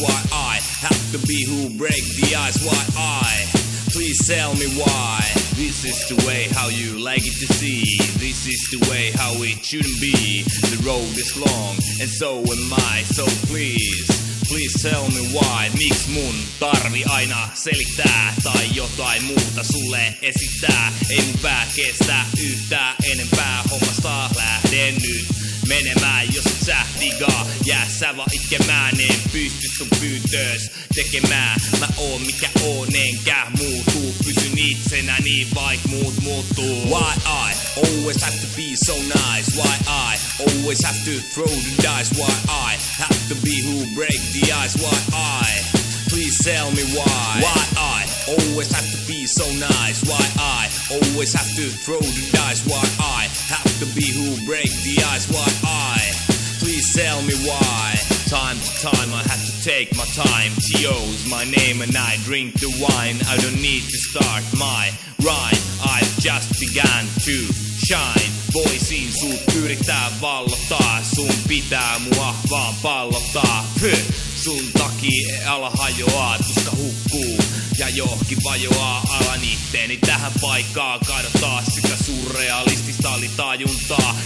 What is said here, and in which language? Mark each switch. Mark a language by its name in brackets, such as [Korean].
[English] Why I have to be who break the ice? Why I, please tell me why? This is the way how you like it to see. This is the way how it shouldn't be. The road is long and so am I. So please, please tell me why. [Finnish] Miks mun tarvi aina selittää tai jotain muuta sulle esittää? Ei mun pää kestä yhtään enempää. Hommasta lähden nyt menemään. Jos et sä digaa, jää sä vaan itkemään. En pysty sun pyytöös tekemään. Mä oon mikä oon, enkä muutu. Pysyn itsenäni, vaik muut muuttuu. [English] Why I always have to be so nice? Why I always have to throw the dice? Why I have to be who break the ice? Why I, please tell me why? Why I always have to be so nice? Why I always have to throw the dice? Why I have to be who break the ice? Why I, please tell me why? Time to time I have to take my time. T.O.'s my name and I drink the wine. I don't need to start my rhyme. I've just began to shine. [Finnish] Voisin sut yrittää vallottaa. Sun pitää mua vaan pallottaa. Puh. Sun takia ala hajoaa. Tuska hukkuu ja johki vajoaa. Alan itteeni tähän paikkaan kadottaa. Sitä surrealistista oli tajuntaa.